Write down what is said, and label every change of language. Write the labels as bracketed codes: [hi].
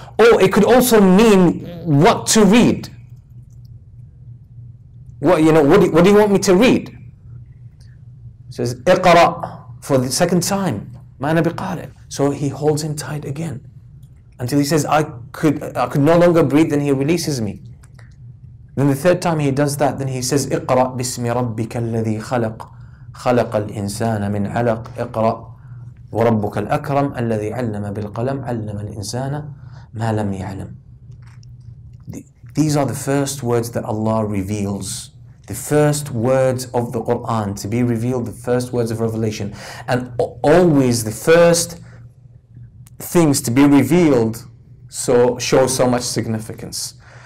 [en] Or it could also mean what to read. What do you want me to read? He says, اقرأ, for the second time. So he holds him tight again until he says, I could no longer breathe, then he releases me. Then the third time he does that, then he says, [ar] اقرأ بسم ربك الذي خلق خلق الإنسان من علق اقرأ وربك الأكرم الذي علم بالقلم علم الإنسان ما لم يعلم. [en] These are the first words that Allah reveals. The first words of the Qur'an to be revealed, the first words of revelation. And always the first things to be revealed show so much significance.